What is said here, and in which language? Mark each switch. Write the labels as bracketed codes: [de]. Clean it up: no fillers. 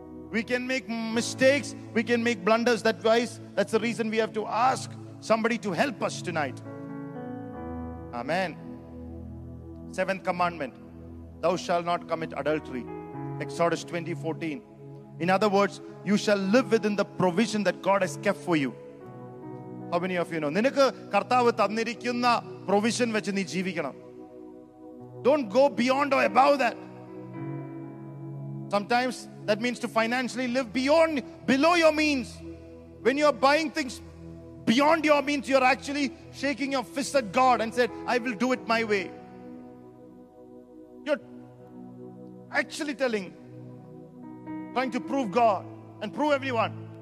[en] We can make mistakes. We can make blunders. That's the reason we have to ask somebody to help us tonight. Amen. 7th commandment. Thou shalt not commit adultery. Exodus 20:14. In other words, you shall live within the provision that God has kept for you. How many of you know? [ml] നിനക്ക് കർത്താവ് തന്നിരിക്കുന്ന provision വെച്ച് നീ ജീവിക്കണം. [en] Don't go beyond or above that. Sometimes that means to financially live below your means. When you are buying things beyond your means, you are actually shaking your fist at God and said, "I will do it my way." You're actually trying to prove God and prove everyone.